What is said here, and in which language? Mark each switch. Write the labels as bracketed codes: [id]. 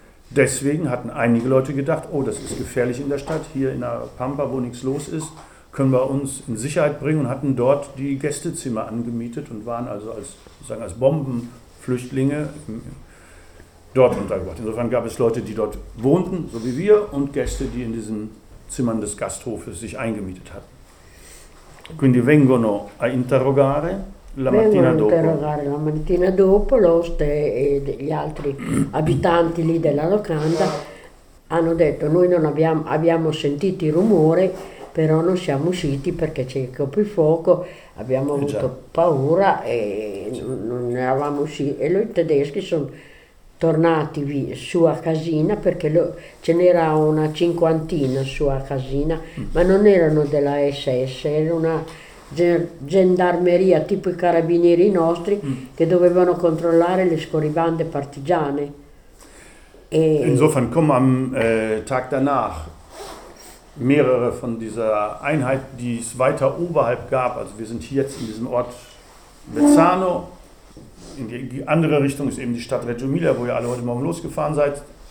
[de] Deswegen hatten einige Leute gedacht, oh, das ist gefährlich in der Stadt, hier in der Pampa, wo nichts los ist, können wir uns in Sicherheit bringen und hatten dort die Gästezimmer angemietet und waren also als Bombenflüchtlinge dort untergebracht. Insofern gab es Leute, die dort wohnten, so wie wir, und Gäste, die in diesen Zimmern des Gasthofes sich eingemietet hatten. [it] Quindi vengono a interrogare. La mattina dopo l'oste e gli altri abitanti lì della locanda hanno detto: noi non abbiamo sentito il rumore, però non siamo usciti perché c'è il coprifuoco, abbiamo avuto paura e non eravamo usciti. E i tedeschi sono tornati su a casina, perché ce n'era una cinquantina su a casina, ma non erano della SS, era una gendarmeria tipo i carabinieri nostri che dovevano controllare le scorribande partigiane. [de] E insofern kommen am Tag danach mehrere von dieser Einheit, die es weiter oberhalb gab, also wir sind hier jetzt in diesem Ort Vezzano, in die andere Richtung ist eben die Stadt Reggio Emilia, wo ihr alle heute Morgen losgefahren seid.